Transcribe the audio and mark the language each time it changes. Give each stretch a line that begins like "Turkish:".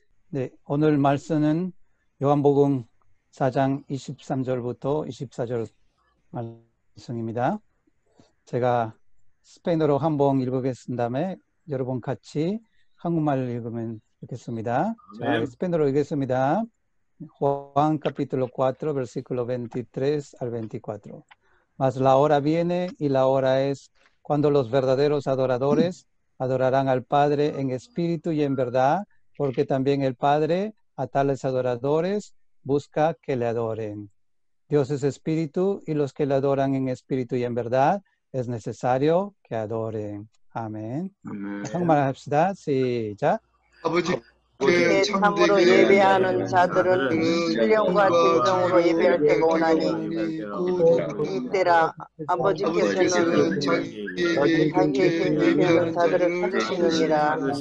Korean: 네, 오늘 말씀은 요한복음 4장 23절부터 24절 말씀입니다. 제가 스페인어로 한번 읽어보겠습니다. 다음에 여러분 같이 한국말을 읽으면 좋겠습니다. 제가 스페인어로 읽겠습니다.
Spanish: Juan capítulo 4, versículo 23 al 24. Mas la hora viene y la hora es cuando los verdaderos adoradores adorarán al Padre en espíritu y en verdad, porque también el Padre a tales adoradores busca que le adoren. Dios es espíritu y los que le adoran en espíritu y en verdad es necesario que adoren. Amén. Amén. Sí, ya.
Korean: 주께 참으로 예배하는 자들은 신령과 진정으로 예배할 때가 오나니 이때라 아버지께서는 너희 당계에 예배하는 자들을 찾으시느니라.